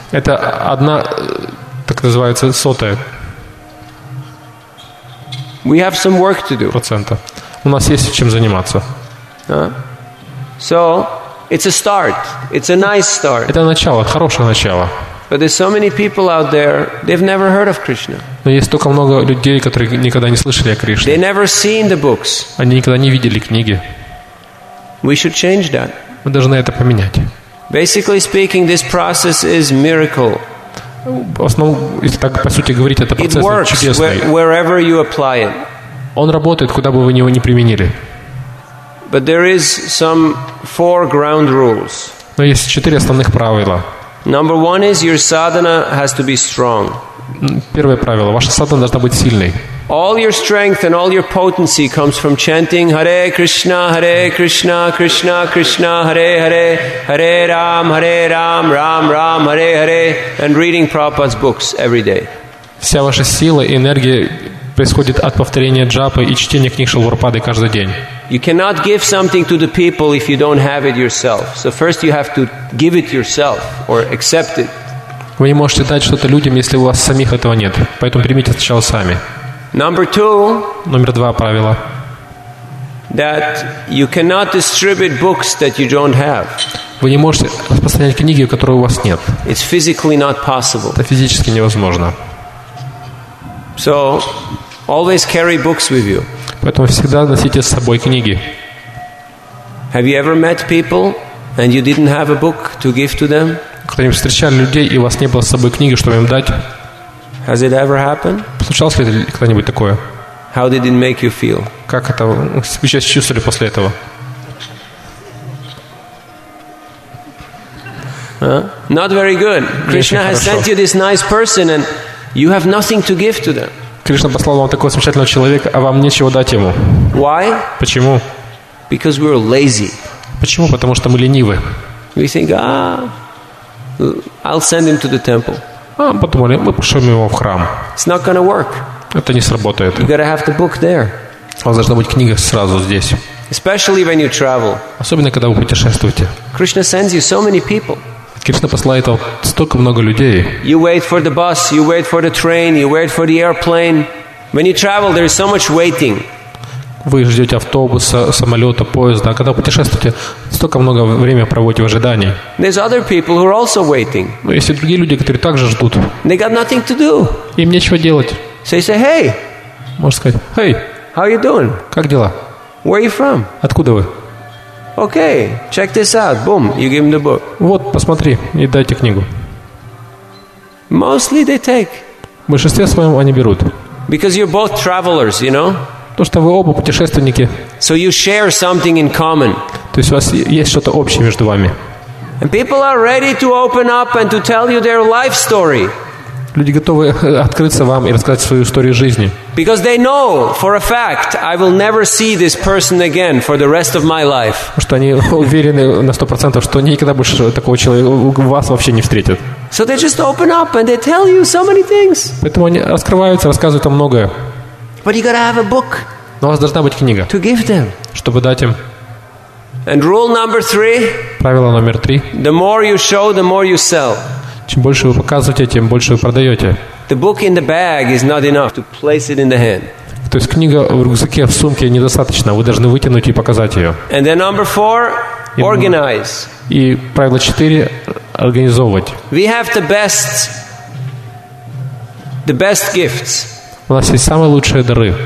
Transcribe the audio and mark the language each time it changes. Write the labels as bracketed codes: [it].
[ru] Это одна, так называется, сотая. [en] We have some work to do. [ru] Процента. У нас есть чем заниматься. [en] So, it's a start. It's a nice start. [ru] Это начало, хорошее начало. [en] But there's so many people out there, they've never heard of Krishna. [ru] Но есть столько много людей, которые никогда не слышали о Кришне. [en] They never seen the books. [ru] Они никогда не видели книги. [en] We should change that. [ru] Мы должны это поменять. [en] Basically speaking, this process is miracle. It works wherever you apply it. [ru] Он работает, куда бы вы его ни применили. [en] But there is some four ground rules. [ru] Но есть четыре основных правила. [en] Number one is your sadhana has to be strong. [ru] Первое правило. Ваша садхана должна быть сильной. [en] All your strength and all your potency comes from chanting Hare Krishna, Hare Krishna, Krishna Krishna, Hare Hare, Hare Ram, Hare Ram, Ram Ram, Hare Hare, and reading Prabhupada's books every day. [ru] Вся ваша сила и энергия происходит от повторения джапы и чтения книг Шилпрапады каждый день. [en] You cannot give something to the people if you don't have it yourself. So first you have to give it yourself or accept it. [ru] Вы не можете дать что-то людям, если у вас самих этого нет. Поэтому примите сначала сами. [en] Number two, [ru] номер два правило. [en] That you cannot distribute books that you don't have. [ru] Вы не можете распространять книги, которые у вас нет. [en] It's physically not possible. [ru] Это физически невозможно. [en] So, always carry books with you. [ru] Поэтому всегда носите с собой книги. [en] Have you ever met people and you didn't have a book to give to them? [ru] Когда-нибудь встречали людей и у вас не было с собой книги, чтобы им дать? [en] Has it ever happened? [ru] Случалось ли это когда-нибудь такое? [en] How did it make you feel? [ru] Как это вы сейчас чувствовали после этого? [en] Not very good. Krishna has sent you this nice person and you have nothing to give to them. [ru] Кришна послал вам такого замечательного человека, а вам нечего дать ему. [en] Why? [ru] Почему? [en] Because we're lazy. [ru] Почему? Потому что мы ленивы. [en] We think, I'll send him to the temple. [ru] А, подумали, мы пошлем его в храм. [en] It's not gonna work. [ru] Это не сработает. [en] You gotta have the book there. [ru] У вас должна быть книга сразу здесь. [en] Especially when you travel. [ru] Особенно, когда вы путешествуете. [en] Krishna sends you so many people. [ru] Кришна посылает вам столько много людей. [en] You wait for the bus, you wait for the train, you wait for the airplane. When you travel, there is so much waiting. [ru] Вы ждете автобуса, самолета, поезда. А когда вы путешествуете, столько много времени проводите в ожидании. [en] There's other people who are also waiting. [ru] Но есть и другие люди, которые также ждут. [en] They got nothing to do. [ru] Им нечего делать. [en] So you say, hey. [ru] Можно сказать, hey. [en] How you doing? [ru] Как дела? [en] Where are you from? [ru] Откуда вы? [en] Okay, check this out. Boom, you give them the book. [ru] Вот, посмотри и дайте книгу. [en] Mostly they take. [ru] В большинстве своем они берут. [en] Because you're both travelers, you know? [ru] То, что вы оба путешественники. [en] So you share something in common. [ru] То есть у вас есть что-то общее между вами. [en] And people are ready to open up and to tell you their life story. [ru] Люди готовы открыться вам и рассказать свою историю жизни. [en] Because they know for a fact I will never see this person again for the rest of my life. [ru] Потому что они уверены на 100%, что никогда больше такого человека вас вообще не встретят. [en] So they just open up and they tell you so many things. [ru] Поэтому они раскрываются, рассказывают вам многое. [en] But you gotta have a book. [ru] Но у вас должна быть книга. [en] To give them. [ru] Чтобы дать им. [en] And rule number three. [ru] Правило номер три. [en] The more you show, the more you sell. [ru] Чем больше вы показываете, тем больше вы продаете. [en] The book in the bag is not enough to place it in the hand. [ru] То есть книга в рюкзаке, в сумке недостаточно. Вы должны вытянуть и показать ее. [en] And then number four. Organize. [ru] И правило четыре. Организовывать. [en] We have the best gifts. [ru] У нас есть самые лучшие дары.